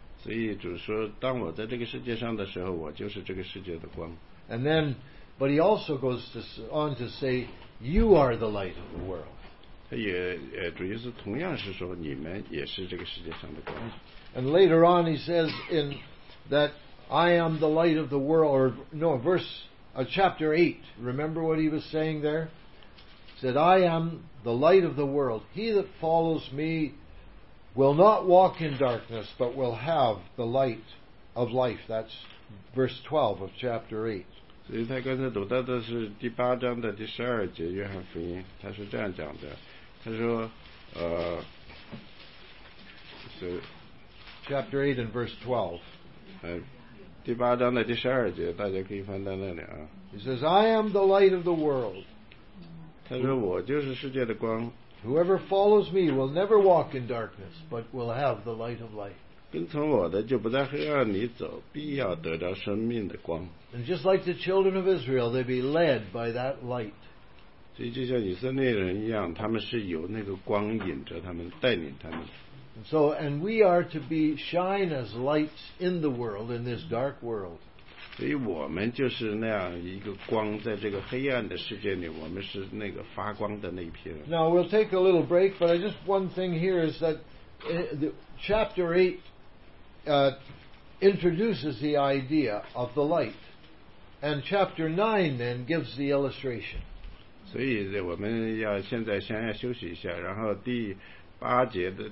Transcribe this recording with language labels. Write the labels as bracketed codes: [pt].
[zh] 所以主说，当我在这个世界上的时候，我就是这个世界的光。 [en] And then, but he also goes on to say, you are the light of the world. [zh] 主耶稣同样是说，你们也是这个世界上的光。 [en] And later on he says in that I am the light of the world, or no, verse chapter 8, remember what he was saying there? He said, I am the light of the world. He that follows me will not walk in darkness, but will have the light of life. That's verse 12 of chapter 8. [zh] 所以他刚才读到的是第八章的第十二节约翰福音，他是这样讲的，他说是 [en] chapter 8 and verse 12， [zh] 第八章的第十二节，大家可以翻到那里啊。 [en] He says, I am the light of the world. [zh] 他说我就是世界的光。 [en] Whoever follows me will never walk in darkness, but will have the light of life. [zh] 跟从我的就不在黑暗里走，必要得着生命的光。 [en] And just like the children of Israel, they be led by that light. [zh] 所以就像以色列人一样，他们是由那个光引着他们，带领他们。 [en] So, and we are to be shine as lights in the world, in this dark world. [zh] 所以我们就是那样一个光，在这个黑暗的世界里，我们是那个发光的那一片。 [en] Now we'll take a little break, but I just one thing here is that the chapter 8. Introduces the idea of the light. And chapter 9 then gives the illustration. So we need to rest now. And then the 8th chapter is talking about the light is what it is.